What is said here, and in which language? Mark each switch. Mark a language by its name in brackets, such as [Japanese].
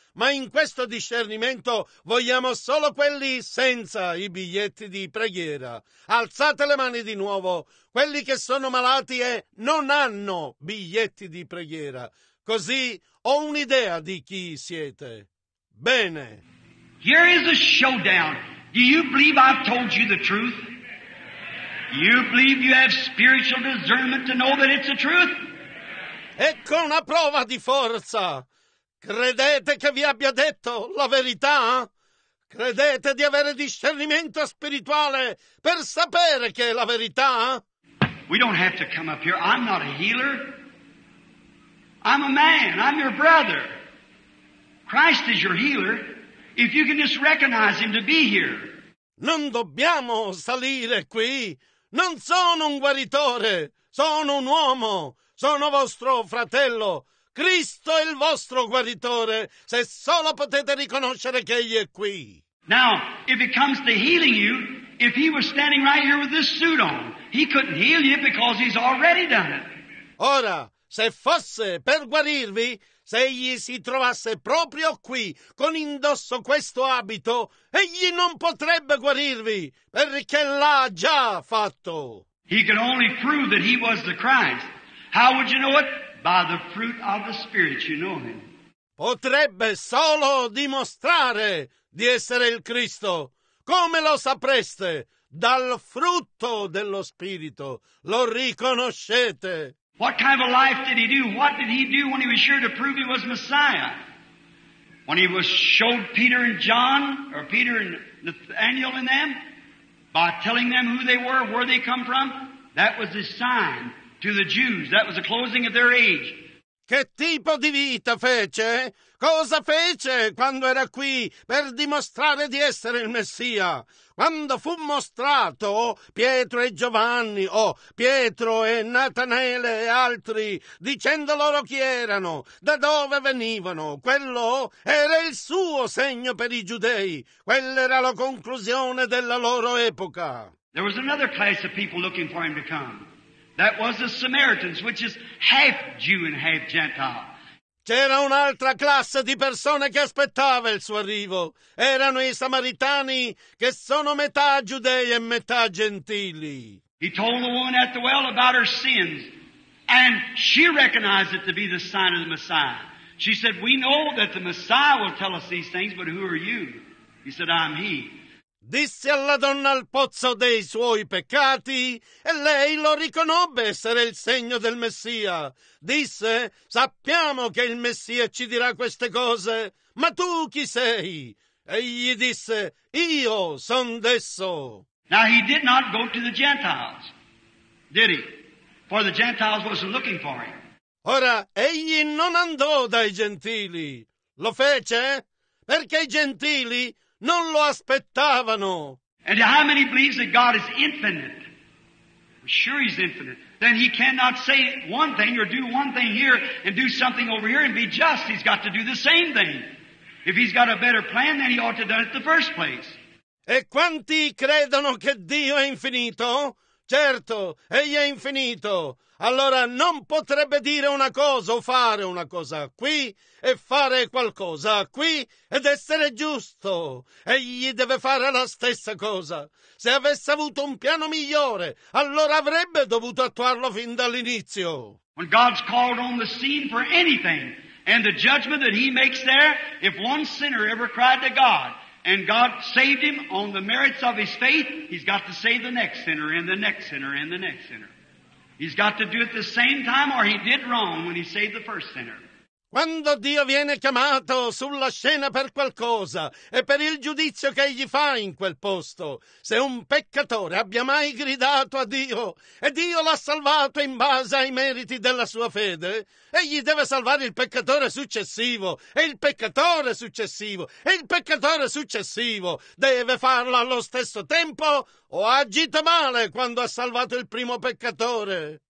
[Italian] Ma in questo discernimento vogliamo solo quelli senza i biglietti di preghiera. Alzate le mani di nuovo. Quelli che sono malati e non hanno biglietti di preghiera. Così ho un'idea di chi siete. Bene. [English] Here is a showdown. Do you believe I've told you the truth? You believe you have spiritual discernment to know that it's the truth? [Italian] Ecco una prova di forza. Credete che vi abbia detto la verità? Credete di avere discernimento spirituale per sapere che è la verità? [English] We don't have to come up here. I'm not a healer. I'm a man. I'm your brother. Christ is your healer. If you can just recognize him to be here. [Italian] Non dobbiamo salire qui. Non sono un guaritore. Sono un uomo. Sono vostro fratello. Cristo è il vostro guaritore, se solo potete riconoscere che Egli è qui. [English] Now, if it comes to healing you, if he was standing right here with this suit on, he couldn't heal you because he's already done it. [Italian] Ora, se fosse per guarirvi, se Egli si trovasse proprio qui, con indosso questo abito, Egli non potrebbe guarirvi, perché l'ha già fatto. [English] He could only prove that he was the Christ. How would you know it? By the fruit of the Spirit, you know him. [Italian] Potrebbe solo dimostrare di essere il Cristo. Come lo sapreste? Dal frutto dello Spirito. Lo riconoscete. [English] What kind of a life did he do? What did he do when he was sure to prove he was Messiah? When he was showed Peter and John, or Peter and Nathaniel and them, by telling them who they were, where they come from, that was his sign. To the Jews, that was the closing of their age. [Italian] Che tipo di vita fece? Cosa fece quando era qui per dimostrare di essere il Messia? Quando fu mostrato Pietro e Giovanni, o Pietro e Natanele e altri, dicendo loro chi erano, da dove venivano, quello era il suo segno per i giudei. Quella era la conclusione della loro epoca. [English] There was another class of people looking for him to come. That was the Samaritans, which is half Jew and half Gentile. [Italian] C'era un'altra classe di persone che aspettava il suo arrivo. Erano i Samaritani, che sono metà giudei e metà gentili. [English] He told the woman at the well about her sins, and she recognized it to be the sign of the Messiah. She said, "We know that the Messiah will tell us these things, but who are you?" He said, "I'm he." [Italian] Disse alla donna al pozzo dei suoi peccati e lei lo riconobbe essere il segno del Messia. Disse, sappiamo che il Messia ci dirà queste cose, ma tu chi sei? E gli disse, io son d'esso. [English] Now he did not go to the Gentiles, did he? For the Gentiles was looking for him. [Italian] Ora, egli non andò dai gentili. Lo fece? Perché i gentili non lo aspettavano. [English] And how many believes that God is infinite? Sure he's infinite. Then he cannot say one thing or do one thing here and do something over here and be just. He's got to do the same thing. If he's got a better plan, then he ought to have done it the first place. [Italian] E quanti credono che Dio è infinito? Certo, egli è infinito. Allora non potrebbe dire una cosa o fare una cosa qui e fare qualcosa qui ed essere giusto. Egli deve fare la stessa cosa. Se avesse avuto un piano migliore, allora avrebbe dovuto attuarlo fin dall'inizio. [English] When God's called on the scene for anything, and the judgment that he makes there, if one sinner ever cried to God, and God saved him on the merits of his faith, he's got to save the next sinner, and the next sinner, and the next sinner. He's got to do it the same time, or he did wrong when he saved the first sinner. [Italian] Quando Dio viene chiamato sulla scena per qualcosa e per il giudizio che egli fa in quel posto, se un peccatore abbia mai gridato a Dio e Dio l'ha salvato in base ai meriti della sua fede, egli deve salvare il peccatore successivo e il peccatore successivo e il peccatore successivo deve farlo allo stesso tempo o ha agito male quando ha salvato il primo peccatore.